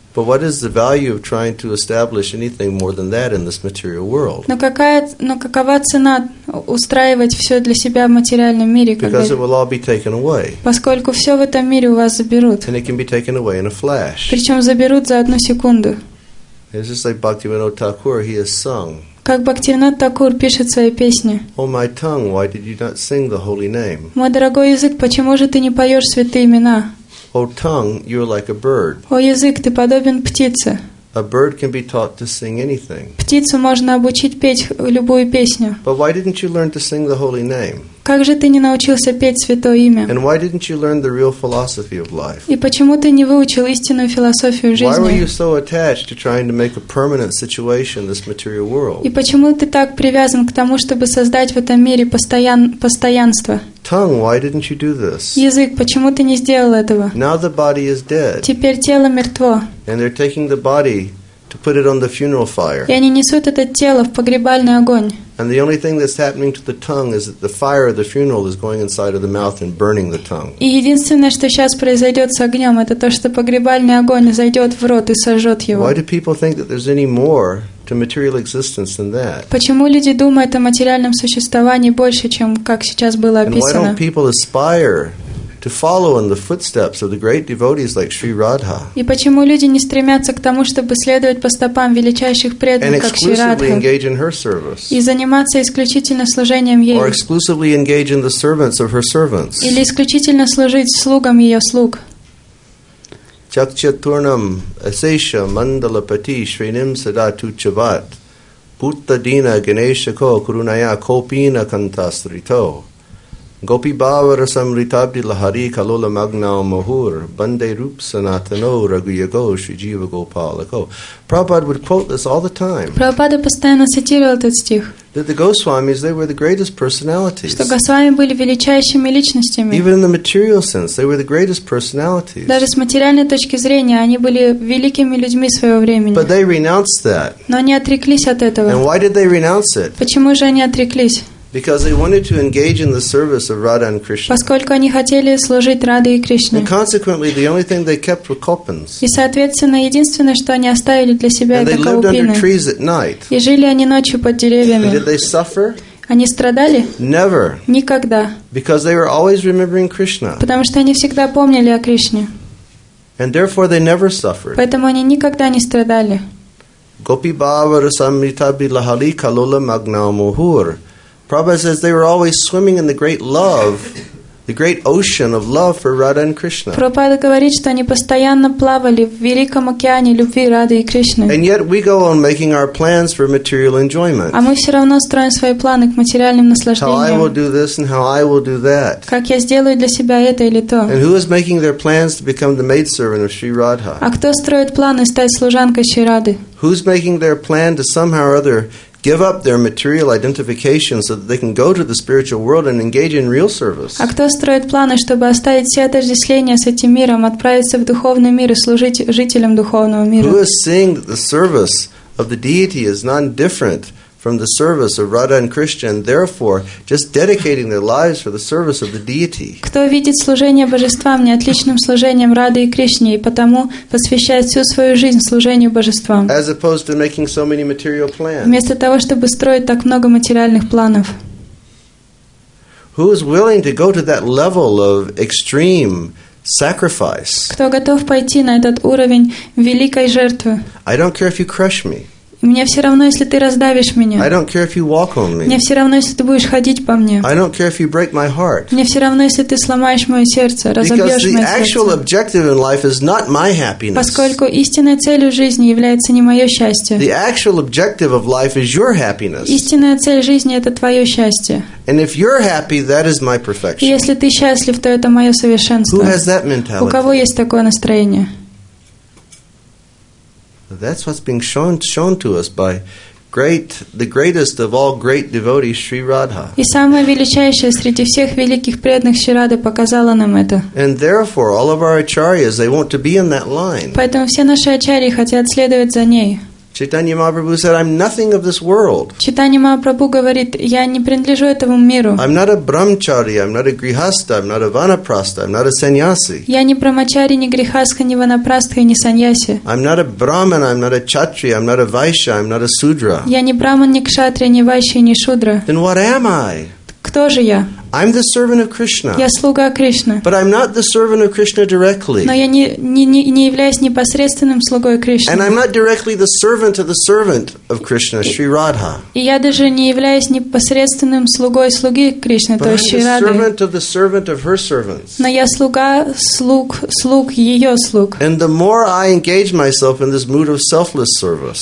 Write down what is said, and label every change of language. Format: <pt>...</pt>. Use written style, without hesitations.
<en>But what is the value of trying to establish anything more than that in this material world?</en> <ru>Какова цена устраивать все для себя в материальном мире?</ru> <en>Because it will all be taken away.</en> <ru>Поскольку все в этом мире у вас заберут.</ru> <en>And it can be taken away in a flash.</en> <ru>Причем заберут за одну секунду.</ru> <en>It's just like Bhaktivinoda Thakur, he has sung.</en> <ru>Как Бхактивинод Такур пишет свои песни.</ru> <en>О, my tongue, why did you not sing the holy name?</en> <ru>Мой дорогой язык, почему же ты не поешь святые имена?</ru> <en>O tongue, you're like a bird.</en> <ru>О, язык, ты подобен птице.</ru> <en>A bird can be taught to sing anything.</en> <ru>Птицу можно обучить петь любую песню.</ru> <en>But why didn't you learn to sing the holy name?</en> <ru>Как же ты не научился петь святое имя?</ru> <en>And why didn't you learn the real philosophy of life?</en> <ru>И почему ты не выучил истинную философию жизни?</ru> <en>Why were you so attached to trying to make a permanent situation in this material world?</en> <ru>И почему ты так привязан к тому, чтобы создать в этом мире постоянство?</ru> <en>Tongue, why didn't you do this?</en> <ru>Язык, почему ты не сделал этого?</ru> <en>Now the body is dead.</en> <ru>Теперь тело мертво.</ru> <en>And they're taking the body to put it on the funeral fire.</en> <ru>И они несут это тело в погребальный огонь.</ru> <en>And the only thing that's happening to the tongue is that the fire of the funeral is going inside of the mouth and burning the tongue.</en> <ru>И единственное, что сейчас произойдет с огнем, это то, что погребальный огонь зайдет в рот и сожжет его.</ru> <en>Why do people think that there's any more to material existence than that?</en> <ru>Почему люди думают о материальном существовании больше, чем как сейчас было описано?</ru> <en>And why don't people aspire to follow in the footsteps of the great devotees like Sri Radha?</en> <ru>И почему люди не стремятся к тому, чтобы следовать по стопам величайших преданных, как Шри Радха?</ru> <en>And exclusively engage in her service.</en> <ru>И заниматься исключительно служением ей.</ru> <en>Or exclusively engage in the servants of her servants.</en> <ru>Или исключительно служить слугам ее слуг.</ru> <sa>Чакчатурнам асеша мандалапати шриним садату чават буттадина генешако курунайя копина кантастрито Gopi Bhava Rasam Ritabdi Lahari Kalola Magnao Mahur Bande Rup Sanatano Raguyago Shri Jiva Gopalako.</sa> <en>Prabhupada would quote this all the time.</en> <ru>Prabhupada постоянно цитировал этот стих.</ru> <en>That the Goswamis, they were the greatest personalities.</en> <ru>Что Госвами были величайшими личностями.</ru> <en>Even in the material sense, they were the greatest personalities.</en> <ru>Даже с материальной точки зрения, они были великими людьми своего времени.</ru> <en>But they renounced that.</en> <ru>Но они отреклись от этого.</ru> <en>And why did they renounce it?</en> <ru>Почему же они отреклись?</ru> <en>Because they wanted to engage in the service of Radha and Krishna.</en> <ru>Поскольку они хотели служить Раде и Кришне.</ru> <en>And consequently, the only thing they kept were kopins.</en> <ru>И соответственно, единственное, что они оставили для себя, это каупины.</ru> <en>And they lived under trees at night.</en> <ru>И жили они ночью под деревьями.</ru> <en>And did they suffer?</en> <ru>Они страдали?</ru> <en>Never.</en> <ru>Никогда.</ru> <en>Because they were always remembering Krishna.</en> <ru>Потому что они всегда помнили о Кришне.</ru> <en>And therefore, they never suffered.</en> <ru>Поэтому они никогда не страдали.</ru> <sa>Gopi Bhava Rasamritabhi Lahali Kalola Magnao Mohur.</sa> <en>Prabhupada says they were always swimming in the great love, the great ocean of love for Radha and Krishna.</en> <ru>Прабхупада говорит, что они постоянно плавали в великом океане любви Рады и Кришны.</ru> <en>And yet we go on making our plans for material enjoyment.</en> <ru>А мы все равно строим свои планы к материальным наслаждениям.</ru> <en>How I will do this and how I will do that.</en> <ru>Как я сделаю для себя это или то.</ru> <en>And who is making their plans to become the maidservant of Sri Radha?</en> <ru>А кто строит планы стать служанкой Шри Рады?</ru> <en>Who's making their plan to somehow or other give up their material identification so that they can go to the spiritual world and engage in real service?</en> <ru>А кто строит планы, чтобы оставить все отождествления с этим миром, отправиться в духовный мир и служить жителям духовного мира?</ru> <en>Who is seeing that the service of the deity is non-different from the service of Radha and Krishna, and therefore just dedicating their lives for the service of the deity?</en> <ru>Кто видит служение божествам не отличным служением Рады и Кришне и потому посвящает всю свою жизнь служению божествам?</ru> <en>As opposed to making so many material plans.</en> <ru>Вместо того, чтобы строить так много материальных планов.</ru> <en>Who is willing to go to that level of extreme sacrifice?</en> <ru>Кто готов пойти на этот уровень великой жертвы?</ru> <en>I don't care if you crush me.</en> <ru>Мне все равно, если ты раздавишь меня.</ru> <en>I don't care if you walk on me.</en> <ru>Мне все равно, если ты будешь ходить по мне.</ru> <en>I don't care if you break my heart.</en> <ru>Мне все равно, если ты сломаешь мое сердце, разобьешь мое сердце.</ru> <en>Because the actual objective in life is not my happiness.</en> <ru>Поскольку истинной целью жизни является не мое счастье.</ru> <en>The actual objective of life is your happiness.</en> <ru>Истинная цель жизни – это твое счастье.</ru> <en>And if you're happy, that is my perfection.</en> <ru>И если ты счастлив, то это мое совершенство.</ru> <en>Who has that mentality?</en> <ru>У кого есть такое настроение?</ru> <en>That's what's being shown to us by the greatest of all great devotees, Sri Radha.</en> <ru>И самая величайшая среди всех великих преданных Шри Рады показала нам это.</ru> <en>And therefore, all of our acharyas, they want to be in that line.</en> <ru>Поэтому все наши ачарьи хотят следовать за ней.</ru> <en>Chaitanya Mahaprabhu said, I'm nothing of this world.</en> <ru>Chaitanya Mahaprabhu говорит, я не принадлежу этому миру.</ru> <en>I'm not a brahmachari, I'm not a grihastha, I'm not a vanaprastha, I'm not a sannyasi.</en> <ru>Я не брамачари, не грихастха, не ванапрастха, не саньяси.</ru> <en>I'm not a brahman, I'm not a chatri, I'm not a vaishya, I'm not a sudra.</en> <ru>Я не браман, не кшатри, не вайши, не шудра.</ru> <en>Then what am I?</en> <ru>Кто же я?</ru> <en>I'm the servant of Krishna.</en> <ru>Я слуга Кришны.</ru> <en>But I'm not the servant of Krishna directly.</en> <ru>Но я не являюсь непосредственным слугой Кришны.</ru> <en>And I'm not directly the servant of the servant of Krishna, Sri Radha.</en> <ru>И я даже не являюсь непосредственным слугой слуги Кришны, то есть Шри Радхи.</ru> <en>But I'm the servant of the servant of her servants.</en> <ru>Но я слуга слуг ее слуг.</ru> <en>And the more I engage myself in this mood of selfless service.</en>